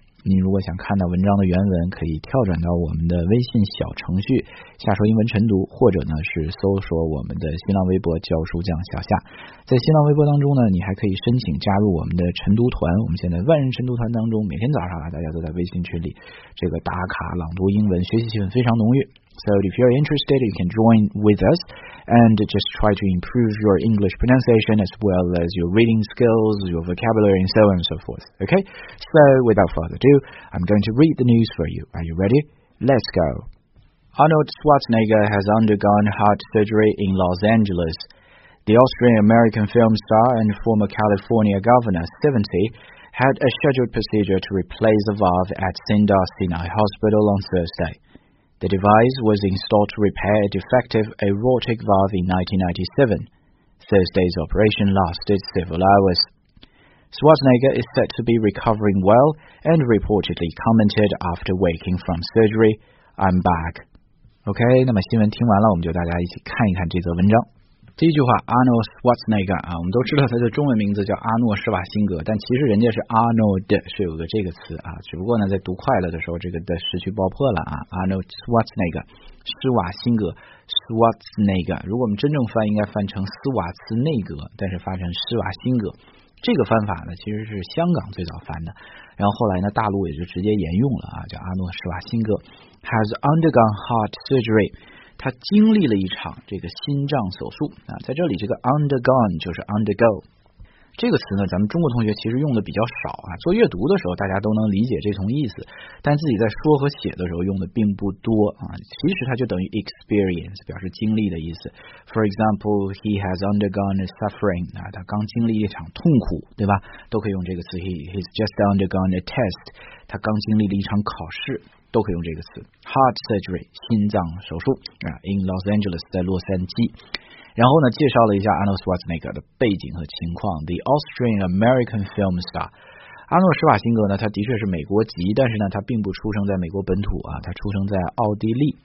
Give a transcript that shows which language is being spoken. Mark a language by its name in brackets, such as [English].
[Chinese] 您如果想看到文章的原文，可以跳转到我们的微信小程序瞎说英文晨读，或者呢是搜索我们的新浪微博教书匠小夏。在新浪微博当中呢，你还可以申请加入我们的晨读团，我们现在万人晨读团当中，每天早上大家都在微信群里这个打卡朗读英文，学习气氛非常浓郁。 [English] So if you're interested, you can join with us and just try to improve your English pronunciation as well as your reading skills, your vocabulary, and so on and so forth. Okay? So without further ado, I'm going to read the news for you. Are you ready? Let's go. Arnold Schwarzenegger has undergone heart surgery in Los Angeles. The Austrian-American film star and former California governor, 70, had a scheduled procedure to replace a valve at Sinai Hospital on Thursday. The device was installed to repair a defective aortic valve in 1997. Thursday's operation lasted several hours. Schwarzenegger is said to be recovering well and reportedly commented after waking from surgery, I'm back. [Chinese] OK, 那么新闻听完了，我们就大家一起看一看这则文章。第一句话 Arnold Schwarzenegger 啊，我们都知道他的中文名字叫阿诺施瓦辛格，但其实人家是 Arnold， 是有个这个词啊，只不过呢在读快乐的时候这个的失去爆破了啊， Arnold Schwarzenegger 施瓦辛格 Schwarzenegger， 如果我们真正翻应该翻成斯瓦茨内格，但是发成施瓦辛格，这个翻法呢其实是香港最早翻的，然后后来呢大陆也就直接沿用了啊，叫阿诺施瓦辛格 [English] has undergone heart surgery， [Chinese] 他经历了一场这个心脏手术啊，在这里这个 undergone 就是 undergo 这个词呢，咱们中国同学其实用的比较少啊，做阅读的时候大家都能理解这层意思，但自己在说和写的时候用的并不多啊。其实它就等于 experience， 表示经历的意思。 [English] For example, he has undergone suffering 啊， [Chinese] 他刚经历一场痛苦，对吧？都可以用这个词。 [English] He's just undergone a test， [Chinese] 他刚经历了一场考试。都可以用这个词 heart surgery 心脏手术啊 ， [English] in Los Angeles [Chinese] 在洛杉矶。然后呢，介绍了一下 Arnold Schwarzenegger 的背景和情况。 [English] The Austrian American film star [Chinese] 阿诺施瓦辛格呢，他的确是美国籍，但是呢，他并不出生在美国本土啊，他出生在奥地利。